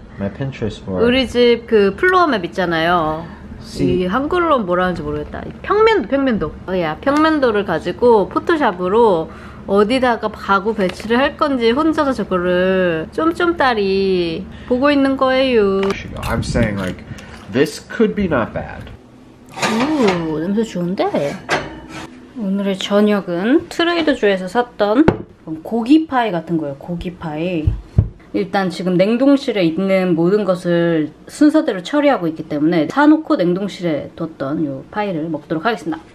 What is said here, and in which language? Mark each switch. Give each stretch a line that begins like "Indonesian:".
English: My Pinterest board.
Korean: 우리 집 그 플로어 맵 있잖아요. 이 한글로 뭐라는지 모르겠다. 평면도.
English: Oh, yeah.
Korean: 평면도를 가지고 포토샵으로 어디다가 가구 배치를 할 건지 혼자서 저거를 쫌쫌딸이 보고 있는 거예요.
English: I'm saying like this could be not bad.
Korean: 냄새 좋은데? 오늘의 저녁은 트레이더조에서 샀던 고기 파이 같은 거예요. 고기 파이. 일단 지금 냉동실에 있는 모든 것을 순서대로 처리하고 있기 때문에 사놓고 냉동실에 뒀던 요 파이를 먹도록 하겠습니다.